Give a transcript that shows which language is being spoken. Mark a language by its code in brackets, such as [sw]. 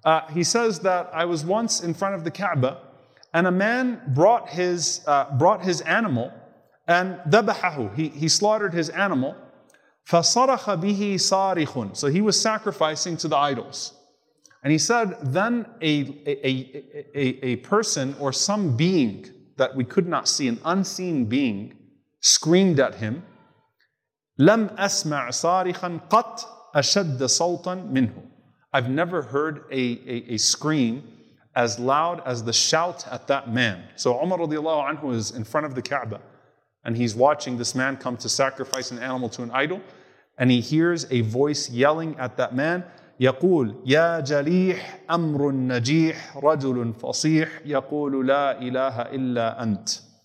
[en] He says that I was once in front of the Kaaba, and a man brought his animal, and [ar] ذبحه, [en] he slaughtered his animal. [ar] فصرخ به صارخ. [en] So he was sacrificing to the idols, and he said then a person or some being that we could not see, an unseen being, screamed at him. [ar] لم أسمع صارخا قط أشد صوتا منه. [en] I've never heard a scream as loud as the shout at that man. So Umar radiallahu anhu is in front of the Kaaba, and he's watching this man come to sacrifice an animal to an idol, and he hears a voice yelling at that man, [ar] يقول يا جليح أمر النجيح رجل فصيح يقول لا إله إلا أنت.